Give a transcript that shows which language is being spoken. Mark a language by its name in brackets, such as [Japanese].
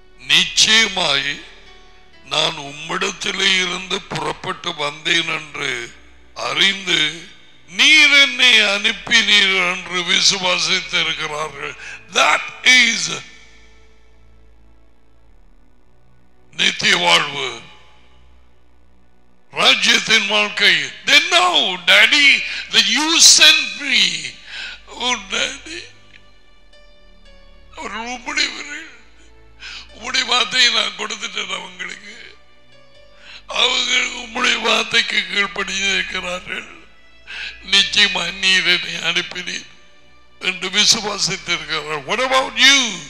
[Tamil] நிச்சயமாய் நான் உம்மிடத்திலே இருந்து புறப்பட்டு வந்தேன் என்று அறிந்து நீர் என்னை அனுப்பினீர் என்று விசுவாசித்திருக்கிறார்கள். [English] That is [Tamil] நித்திய வாழ்வு, ராஜ்யத்தின் வாழ்க்கை. [English] Then now, Daddy, that you sent me. Oh, Daddy. [Tamil] அவர் உம்முடைய வார்த்தையை நான் கொடுத்துட்டேன் அவங்களுக்கு. அவர்கள் உம்முடைய வார்த்தைக்கு கீழ்படியிருக்கிறார்கள். நிச்சயமா நீர் என்னை அனுப்பினீர் என்று விசுவாசித்திருக்கிறார். [English] What about you?